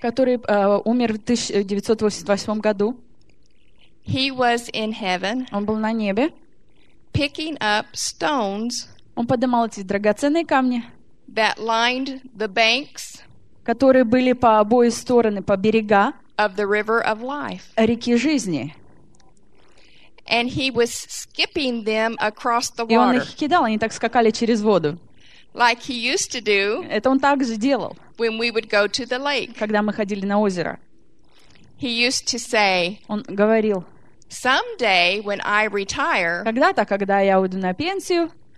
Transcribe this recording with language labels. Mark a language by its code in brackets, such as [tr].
[ru] Который умер в 1988 году. [en] He was in heaven. [ru] Он был на небе. [en] Picking up stones. [ru] Он поднимал эти драгоценные камни. [en] That lined the banks. [ru] Которые были по обе стороны по берега. [en] Of the river of life. [ru] Реки жизни. [en] And he was skipping them across the water. [ru] И он их кидал, они так скакали через воду. [en] like he used to do. [ru] Это он так же делал. [en] When we would go to the lake. [ru] Когда мы ходили на озеро. [en] He used to say. [ru] Он говорил. [en] Someday when I retire. [ru] Когда-то, когда я уйду на пенсию.